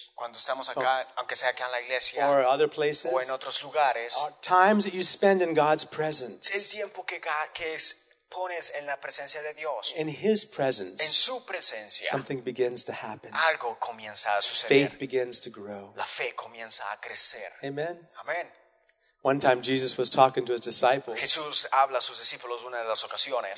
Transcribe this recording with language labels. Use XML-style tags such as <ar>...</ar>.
<es>Cuando estamos acá, aunque sea aquí en la iglesia.</es> <en>Or other places.</en> <es>O en otros lugares.</es> <en>Our times that you spend in God's presence.</en> <es>El tiempo que pones en la presencia de Dios.</es> <en>In His presence.</en> <es>En su presencia.</es> <en>Something begins to happen.</en> <es>Algo comienza a suceder.</es> <en>Faith begins to grow.</en> <es>La fe comienza a crecer. Amen. Amen.</es> <en>One time Jesus was talking to His disciples.</en> <es>Jesús habla a sus discípulos una de las ocasiones.</es>